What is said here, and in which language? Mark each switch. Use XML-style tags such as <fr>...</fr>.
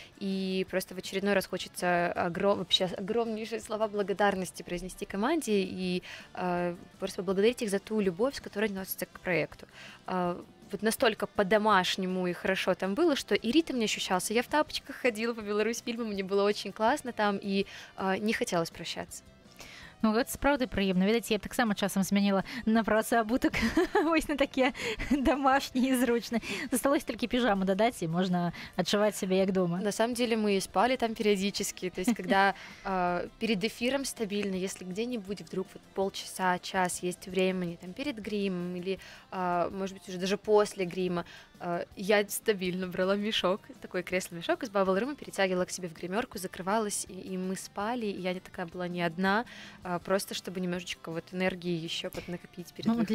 <ru>И просто в очередной раз хочется вообще огромнейшие слова благодарности произнести команде и просто поблагодарить их за ту любовь, с которой относятся к проекту. Вот настолько по-домашнему и хорошо там было, что и ритм не ощущался. Я в тапочках ходила по Беларусь-фильму, мне было очень классно там, и не хотелось прощаться.</ru> <be>Ну, гэта сапраўды прыемна. Ведаеце, я так сама часам змяніла на працу абутак. Вось на такія домашнія і зручныя. Засталося толькі піжаму дадаць, і можна адчуваць сябе як дома.</be> <ru>На самом деле мы і спалі там периодически. То есть, когда перед эфиром стабильно, если где-нибудь вдруг вот полчаса, час есть времени, там перед гримом или, может быть, уже даже после грима, я стабильно брала мешок, такой кресло-мешок из бабл-рума, перетягивала к себе в гримерку, закрывалась, и мы спали, и я не такая была не одна, просто чтобы немножечко вот энергии еще поднакопить перед выходом.</ru>